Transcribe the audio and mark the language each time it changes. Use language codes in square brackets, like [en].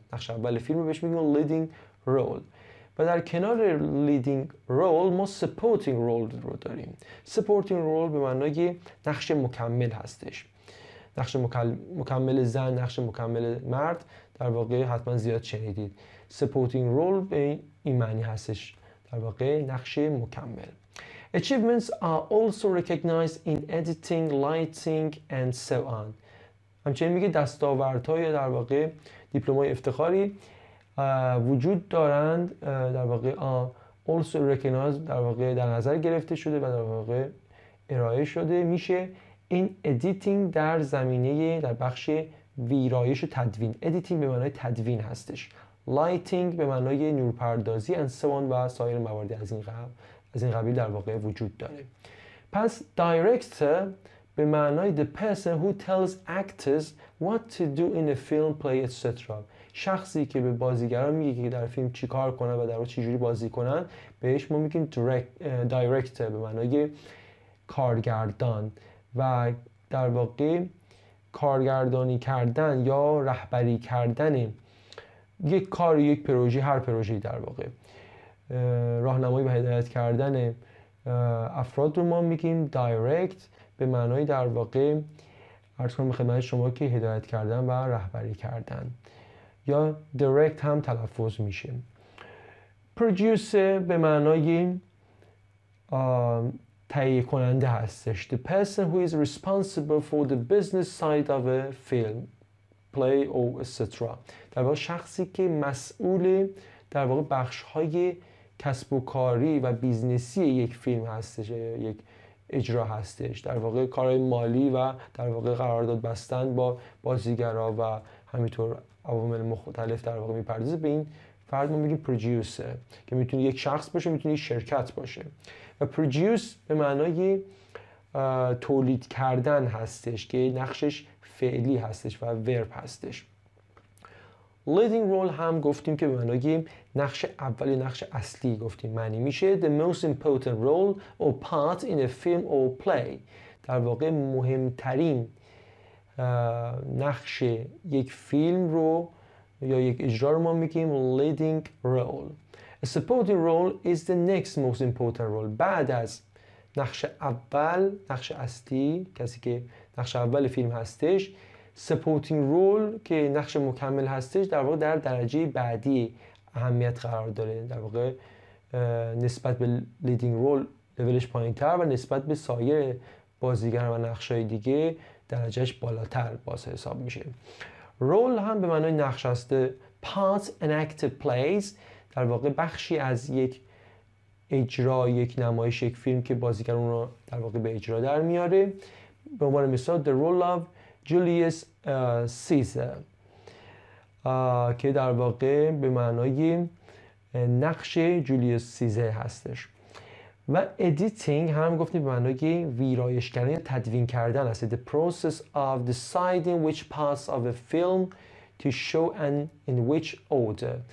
[fa] نقش اول فیلم بهش میگیم leading role و در کنار leading role ما supporting role رو داریم. supporting role به معنای نقش مکمل هستش. نقش مکمل زن، نقش مکمل مرد در واقع حتما زیاد شنیدید. supporting role به این معنی هستش، در واقع نقش مکمل. [en] Achievements are also recognized in editing, lighting and so on. [fa] همچنین میگه دستاوردهای در واقع دیپلمای افتخاری وجود دارند، در واقع [en] also recognized [fa] در واقع در نظر گرفته شده و در واقع ارائه شده میشه [en] in editing [fa] در زمینه در بخش ویرایش و تدوین. editing به معنای تدوین هستش. lighting به معنای نورپردازی [en] and so on [fa] و سایر موارد از این قبیل. از این قبیل در واقع وجود داره. پس [en] director [fa] به معنای [en] the person who tells actors what to do in a film, play, etc. [fa] شخصی که به بازیگران میگه که در فیلم چی کار کنن و در واقع چی جوری بازی کنن بهش ما میگیم director به معنای کارگردان و در واقع کارگردانی کردن یا رهبری کردن یک کار، یک پروژه، هر پروژه‌ای در واقع راهنمایی و هدایت کردن افراد رو ما میگیم دایرکت به معنای در واقع عرض کنم خدمت شما که هدایت کردن و رهبری کردن یا دایرکت هم تلفظ میشه. پرودوسر به معنای تهیه کننده هستش. [en] The person who is responsible for the business side of a film, play or etc. [fa] در واقع شخصی که مسئول در واقع بخش های کسب و کاری و بیزنسی یک فیلم هستش، یک اجرا هستش، در واقع کارهای مالی و در واقع قرارداد بستن با بازیگرا و همینطور عوامل مختلف در واقع میپردازه به این فرد ما میگیم پرودوسر که میتونه یک شخص باشه، میتونه یک شرکت باشه. و پرودوس به معنای تولید کردن هستش که نقشش فعلی هستش و ورب هستش. leading role هم گفتیم که به معنای نقش اول یا نقش اصلی گفتیم معنی میشه [en] the most important role or part in a film or play. [fa] در واقع مهمترین نقش یک فیلم رو یا یک اجرا رو ما میگیم leading role. [en] a supporting role is the next most important role. [fa] بعد از نقش اول، نقش اصلی، کسی که نقش اول فیلم هستش، supporting role که نقش مکمل هستش در واقع در درجه بعدی اهمیت قرار داره، در واقع نسبت به leading role لولش پایین تر و نسبت به سایر بازیگر و نقشای دیگه درجهش بالاتر باز حساب میشه. role هم به معنای نقش هسته. [en] part an actor plays [fa] در واقع بخشی از یک اجرا، یک نمایش، یک فیلم که بازیگر اون رو در واقع به اجرا در میاره. به عنوان مثال The Role of Julius Caesar که در واقع به معنای نقش جولیوس سیزر هستش. و ادیتینگ هم گفتیم به معنای ویرایش کردن یا تدوین کردن است. [en] The process of deciding which parts of a film to show and in which order.